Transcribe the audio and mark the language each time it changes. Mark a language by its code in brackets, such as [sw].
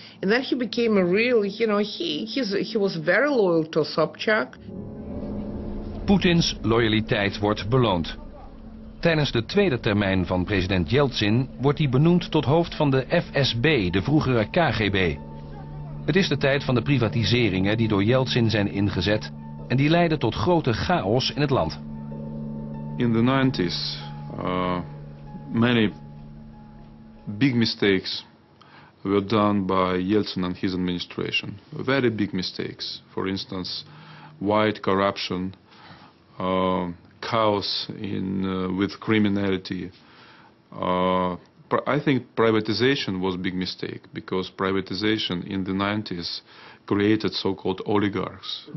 [en] And then he became a real, you know, he was very loyal to Sobchak. [nl] Poetins loyaliteit wordt beloond. Tijdens de tweede termijn van president Yeltsin wordt hij benoemd tot hoofd van de FSB, de vroegere KGB. Het is de tijd van de privatiseringen die door Yeltsin zijn ingezet en die leiden tot grote chaos in het land. [en] In the 90s, many big mistakes were done by Yeltsin and his administration. Very big mistakes. For instance, white corruption. Chaos in with criminality. I think privatization was a big mistake because privatization in the 90s created so-called oligarchs.